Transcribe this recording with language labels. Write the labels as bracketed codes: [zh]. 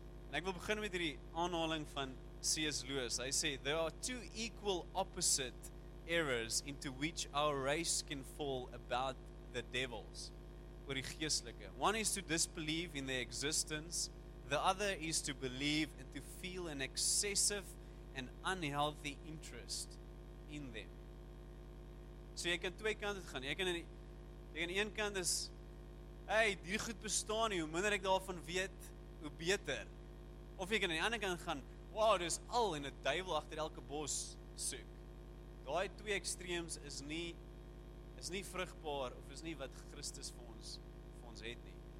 [af] En ek wil begin met hierdie aanhaling van C.S. Lewis. Hy sê [en] there are two equal opposite errors into which our race can fall about the devils. [af] Oor die geestelike. [en] One is to disbelieve in their existence, the other is to believe and to feel an excessive and unhealthy interest in them. [af] So jy kan twee kante gaan. Jy kan een kant is hey, die goed bestaan nie, hoe minder ek daarvan weet, hoe beter. Of jy kan aan die ander kant gaan, wow, dis al in 'n duiwel agter elke bos soek. Daai twee ekstreems is nie vrugbaar of is nie wat Christus vir ons het nie.